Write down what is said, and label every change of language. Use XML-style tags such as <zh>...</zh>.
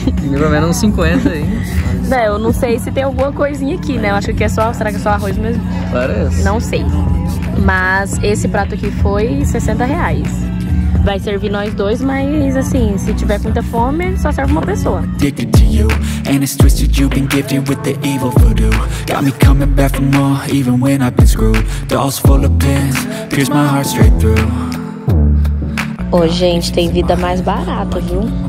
<pt>Pelo menos uns 50 aí. Não, eu não sei se tem alguma coisinha aqui, né? Eu acho que é só... Será que é só arroz mesmo? Parece. Não sei. Mas esse prato aqui foi R$60. Vai servir nós dois, mas assim, se tiver muita fome, só serve uma pessoa.</pt> <en>And it's twisted, you've been gifted with the evil voodoo. Got me coming back for more, even when I've been screwed. Dolls full of pins, pierce my heart straight through.</en> <pt>Ô, gente, tem vida mais barata, viu?</pt>